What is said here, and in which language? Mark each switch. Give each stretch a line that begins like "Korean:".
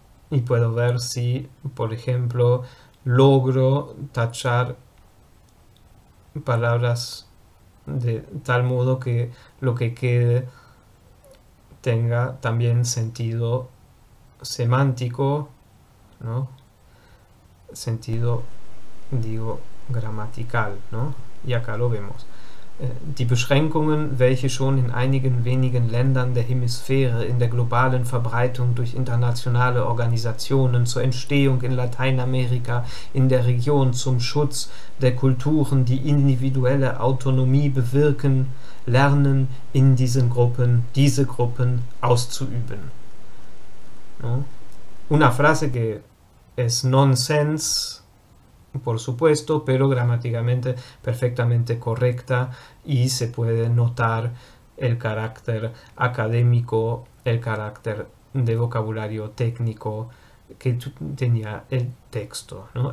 Spanish: Y puedo ver si, por ejemplo, logro tachar palabras de tal modo que lo que quede tenga también sentido semántico, ¿no? Sentido, digo, gramatical, ¿no? Y acá lo vemos.
German: Die Beschränkungen, welche schon in einigen wenigen Ländern der Hemisphäre in der globalen Verbreitung durch internationale Organisationen zur Entstehung in Lateinamerika, in der Region zum Schutz der Kulturen, die individuelle Autonomie bewirken, lernen in diesen Gruppen, diese Gruppen auszuüben.
Spanish: ¿No? Una frase que es nonsense, por supuesto, pero gramaticalmente perfectamente correcta, y se puede notar el carácter académico, el carácter de vocabulario técnico que tenía el texto, ¿no?